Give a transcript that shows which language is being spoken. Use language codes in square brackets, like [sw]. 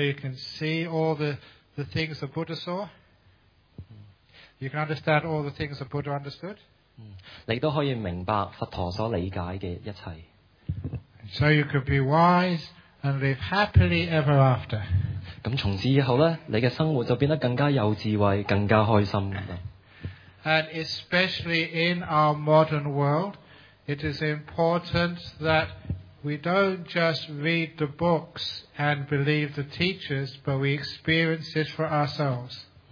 [en] you can see all the things the Buddha saw. You can understand all the things the Buddha understood. [yue] 你都可以明白佛陀所理解嘅一切。 [en] So you could be wise and live happily ever after. [yue] 咁從此以後咧，你嘅生活就變得更加有智慧，更加開心。 [en] And especially in our modern world, it is important that we don't just read the books and believe the teachers, but we experience it for ourselves.